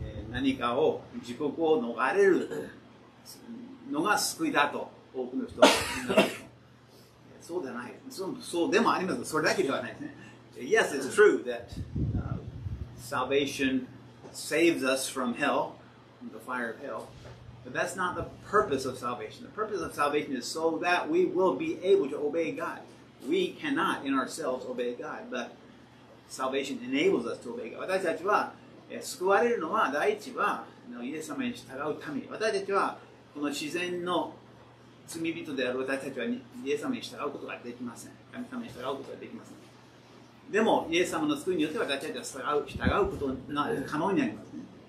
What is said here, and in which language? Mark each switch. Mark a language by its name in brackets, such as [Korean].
[Japanese] 何かを地獄を逃れるのが救いだと多くの人は言うんだけど、そうではない。そうでもありますが、それだけではないですね。 [English] Yes, it's true that salvation saves us from hell, the fire of hell. But that's not the purpose of salvation. The purpose of salvation is so that we will be able to obey God. We cannot in ourselves obey God, but salvation enables us to obey God. [Japanese] 私たちは救われるのは第一はイエス様に従うために。私たちはこの自然の罪人である私たちはイエス様に従うことができません。神様に従うことができません。でもイエス様の救いによっては私たちは従うことが可能になりますね。